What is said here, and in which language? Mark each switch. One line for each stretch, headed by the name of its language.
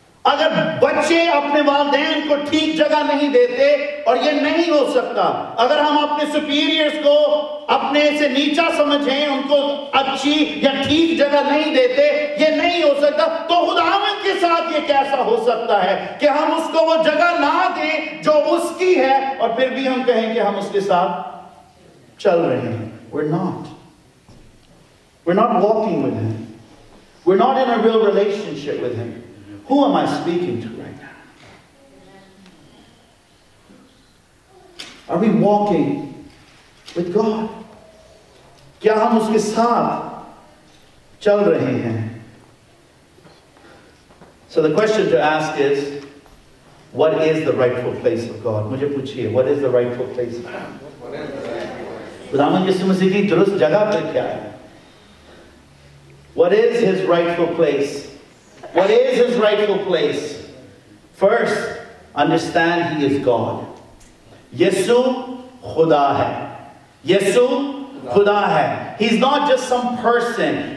Hindi: अगर बच्चे अपने वालदैन को ठीक जगह नहीं देते और ये नहीं हो सकता, अगर हम अपने सुपीरियर्स को अपने से नीचा समझें, उनको अच्छी या ठीक जगह नहीं देते, ये नहीं हो सकता, तो खुदावंद के साथ ये कैसा हो सकता है कि हम उसको वो जगह ना दें जो उसकी है और फिर भी हम कहें कि हम उसके साथ चल रहे हैं?
English: We're not walking with him. We're not in a real relationship with him. Who am I speaking to right now? Are we walking with God?
Hindi: क्या हम उसके साथ चल रहे हैं?
English: So the question to ask is, what is the rightful place of God?
Hindi: मुझे पूछिए,
English: what is the rightful place of God?
Hindi: खुदावन यीशु मसीह की दुरुस्त जगह पर क्या है?
English: What is his rightful place? What is his rightful place? First, understand he is God.
Hindi: Yesu Khuda hai. Yesu Khuda hai.
English: He's not just some person.